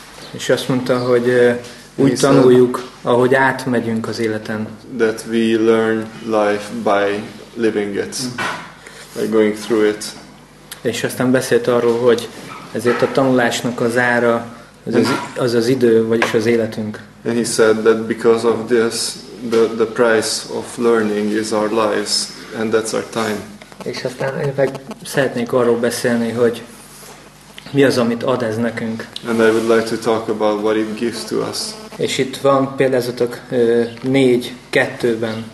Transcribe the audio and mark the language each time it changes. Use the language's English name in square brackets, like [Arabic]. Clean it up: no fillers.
[Hungarian] És azt mondta, hogy úgy tanuljuk, ahogy átmegyünk az életen. [English] That we learn life by living it, by going through it. [Hungarian] És aztán beszélt arról, hogy ezért a tanulásnak az ára az idő, vagyis az életünk. [English] And he said that because of this, the price of learning is our lives, and that's our time. [Hungarian] És aztán én meg szeretnék arról beszélni, hogy mi az, amit ad ez nekünk. [English] And I would like to talk about what it gives to us. [Hungarian] És itt van példázatok 4:2-ben.